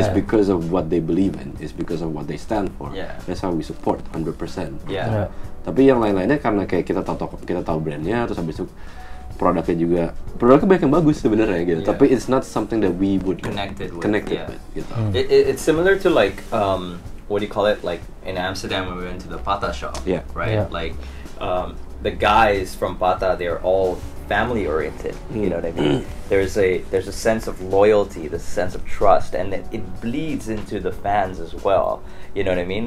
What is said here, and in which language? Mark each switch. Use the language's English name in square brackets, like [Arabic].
[English] It's because of what they believe in, it's because of what they stand for. Yeah. That's how we support 100%. Yeah. [Indonesian] Tapi yang lain-lainnya karena kayak kita tahu brand-nya, terus habis itu produknya juga, produknya banyak yang bagus sebenarnya gitu. Yeah. Tapi [English] it's not something that we would connect with. It's similar to like what do you call it? Like in Amsterdam when we went to the Pata shop. Yeah. Right. Yeah. Like the guys from Pata, they're all family oriented. You know what I mean? There's a sense of loyalty, the sense of trust, and it bleeds into the fans as well. You know what I mean?